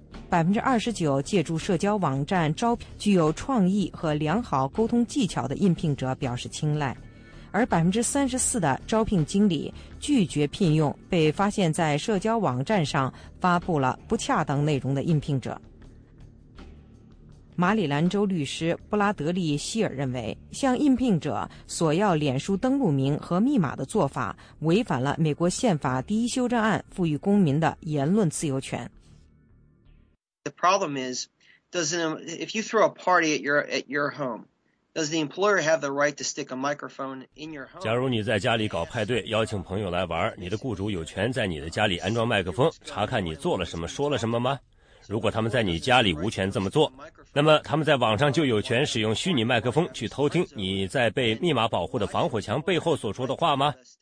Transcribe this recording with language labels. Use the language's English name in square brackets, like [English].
[Chinese] ，29%借助社交网站招聘具有创意和良好沟通技巧的应聘者表示青睐，而34%的招聘经理拒绝聘用被发现在社交网站上发布了不恰当内容的应聘者。马里兰州律师布拉德利希尔认为，向应聘者索要脸书登录名和密码的做法违反了美国宪法第一修正案赋予公民的言论自由权。 [English] The problem is, if you throw a party at your home,Does the employer have the right to stick a microphone in your home? [Chinese] 假如你在家里搞派对，邀请朋友来玩，你的雇主有权在你的家里安装麦克风，查看你做了什么，说了什么吗？如果他们在你家里无权这么做，那么他们在网上就有权使用虚拟麦克风去偷听你在被密码保护的防火墙背后所说的话吗？